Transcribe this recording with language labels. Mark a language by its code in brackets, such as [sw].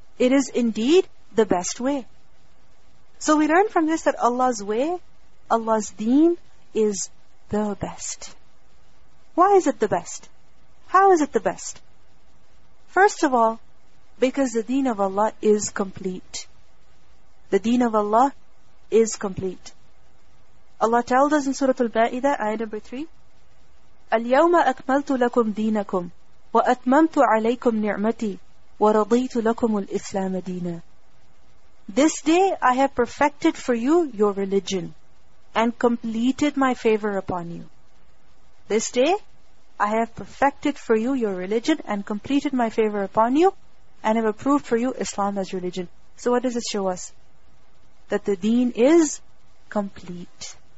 [en] It is indeed the best way. So we learn from this that Allah's way, Allah's deen, is the best. Why is it the best? How is it the best? First of all, because the deen of Allah is complete. The deen of Allah is complete. Allah tells us in Surah Al-Ba'idah, ayah number 3, [ar] أَلْيَوْمَ أَكْمَلْتُ لَكُمْ دِينَكُمْ وَأَتْمَمْتُ عَلَيْكُمْ نِعْمَتِي وَرَضِيتُ لَكُمُ الْإِسْلَامَ دِينًا. [en] This day I have perfected for you your religion and completed my favor upon you. This day I have perfected for you your religion and completed my favor upon you and have approved for you Islam as religion. So what does it show us? That the deen is complete.